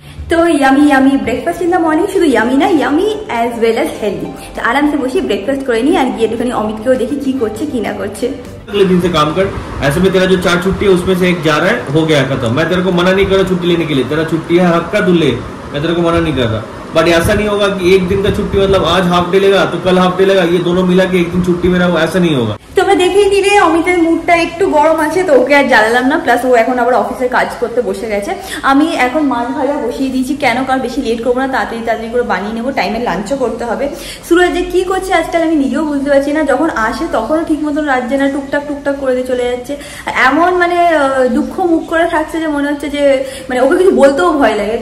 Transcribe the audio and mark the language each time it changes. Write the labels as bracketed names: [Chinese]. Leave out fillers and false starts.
[Bangla] তো yummy yummy breakfast in the morning, শুধু yummy না, yummy as well as healthy. তো আরামসে বসে ব্রেকফাস্ট করে নিই আর গিয়ে একটুখানি অমিতকেও দেখি কি করছে কি না করছে। [Hindi] अगले दिन से काम कर, ऐसे में तेरा जो चार छुट्टी है उसमें से एक जा रहा है, हो गया खत्म। मैं तेरे को मना नहीं कर रहा छुट्टी लेने के लिए, तेरा छुट्टी है हक का दुल्हे, मैं तेरे को मना नहीं कर रहा। बट ऐसा नहीं होगा कि एक दिन का छुट्टी मतलब आज हाफ डे लेगा तो कल हाफ डे लेगा, ये दोनों मिला के एक दिन छुट्टी मेरा, वो ऐसा नहीं होगा। [Bangla] দেখেই নিলে অমিতের মুডটা একটু গরম আছে, তো ওকে আর জ্বালালাম না, প্লাস ও এখন আবার অফিসের কাজ করতে বসে গেছে। আমি এখন মাছ ভাজা বসিয়ে দিয়েছি, কেন কার বেশি লেট করবো না, তাড়াতাড়ি তাড়াতাড়ি করে বানিয়ে নেবো, টাইমে লাঞ্চও করতে হবে। সুরজ যে কী করছে আজকাল আমি নিজেও বুঝতে পারছি না, যখন আসে তখনও ঠিক মতন রাজ্যে না, টুকটাক টুকটাক করে দিয়ে চলে যাচ্ছে, এমন মানে দুঃখ মুখ করে থাকছে যে মনে হচ্ছে যে মানে ওকে কিছু বলতেও ভয় লাগে।